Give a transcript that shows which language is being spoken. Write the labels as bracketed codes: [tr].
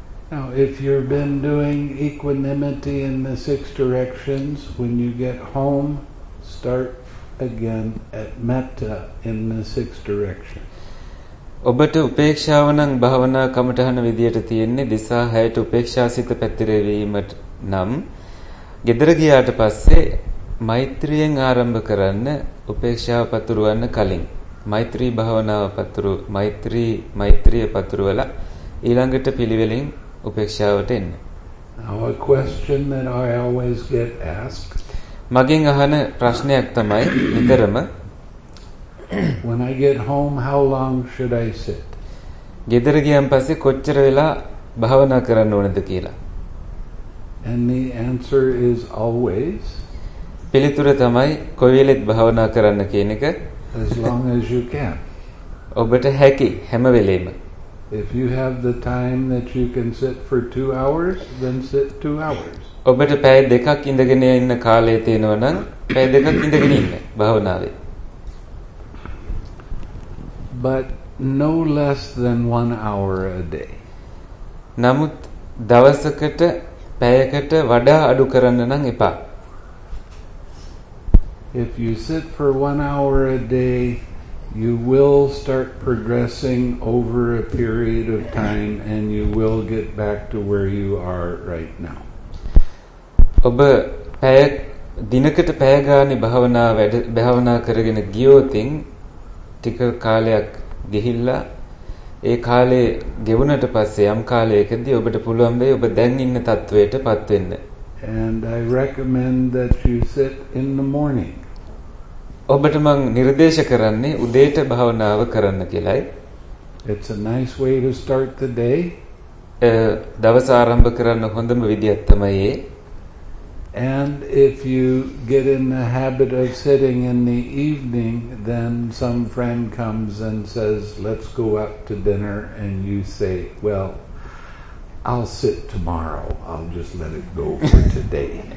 [en] Now, if you've been doing equanimity in the six directions, when you get home, start again at metta in the six directions. [si] ඔබට උපේක්ෂාව නම් භවනා කමටහන විදියට තියෙන්නේ දිසා හැයට උපේක්ෂාසිත පැතිරෙවීමට නම් ගෙදර ගියාට පස්සේ මෛත්‍රියෙන් ආරම්භ කරන්න උපේක්ෂාව පතුරවන්න කලින් මෛත්‍රී භවනාව පතුරු මෛත්‍රිය පතුරවලා ඊළඟට පිළිවෙලින් උපේක්ෂාවට එන්න. [en] Now a question that I always get asked. [si] මගෙන් අහන ප්‍රශ්නයක් තමයි විතරම. [en] When I get home, how long should I sit? [si] ගෙදර ගියන් පස්සේ කොච්චර වෙලා භාවනා කරන්න ඕනද කියලා. [en] And the answer is always. [si] පිළිතුර තමයි කොයි වෙලෙත් භාවනා කරන්න කියන එක. [en] As long as you can. [si] ඔබට හැකි හැම වෙලෙම. [en] If you have the time that you can sit for 2 hours, then sit 2 hours. [si] ඔබට පැය දෙකක් ඉඳගෙන ඉන්න කාලය තියෙනවා නම් පැය දෙකක් ඉඳගෙන ඉන්න භාවනාවේ. [en] But no less than 1 hour a day. [si] නමුත් දවසකට පැයකට වඩා අඩු කරන්න නම් එපා. [en] If you sit for 1 hour a day, you will start progressing over a period of time and you will get back to where you are right now. [si] ඔබ පැය දිනකට පැය ගානේ භාවනා වැඩ භාවනා කරගෙන ගියොත් ටික කාලයක් ගිහිල්ලා ඒ කාලේ ගෙවුනට පස්සේ යම් කාලයකදී ඔබට පුළුවන් වෙයි ඔබ දැන් ඉන්න තත්වයටපත් වෙන්න. [en] And I recommend that you sit in the morning. [si] ඔබට මම නිර්දේශ කරන්නේ උදේට භවනාව කරන්න කියලායි. [en] It's a nice way to start the day. [si] දවස ආරම්භ කරන්න හොඳම විදියක් තමයි ඒ. [en] And if you get in the habit of sitting in the evening, then some friend comes and says, "Let's go out to dinner," and you say, "Well, I'll sit tomorrow. I'll just let it go for today."